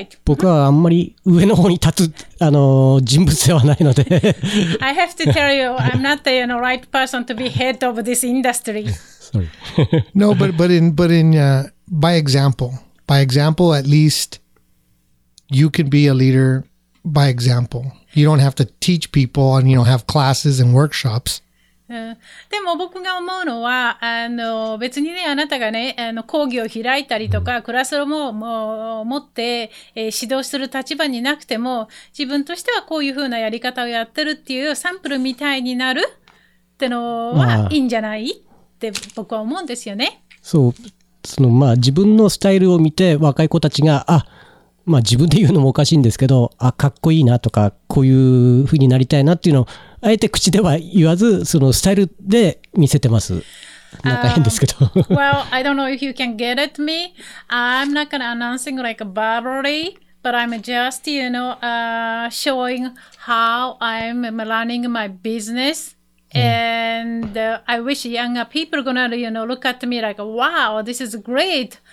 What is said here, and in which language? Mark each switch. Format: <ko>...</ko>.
<ja>ただ僕はあんまり上の方に立つ人物ではないので。</ja> <en>I have to tell you, I'm not the you know, right person to be head of this industry. Sorry. No, but by example, at least you can be a leader by example. You don't have to teach people and you know, have classes and workshops.</en> <ja>でも僕が思うのは、別にね、あなたがね、講義を開いたりとか、クラスロームを持って、指導する立場になくても、自分としてはこういうふうなやり方をやってるっていうサンプルみたいになるってのはいいんじゃないって僕は思うんですよね。そう。まあ、自分のスタイルを見て、若い子たちが、あ、まあ自分で言うのもおかしいんですけど、あ、かっこいいなとか、こういう風になりたいなっていうのを、あえて口では言わず、そのスタイルで見せてます。なんか変ですけど。</ja> <en>Well, I don't know if you can get at me. I'm not gonna announcing like a barbary, but I'm just, you know, showing how I'm running my business. And I wish younger people gonna, you know, look at me like, wow, this is great.</en>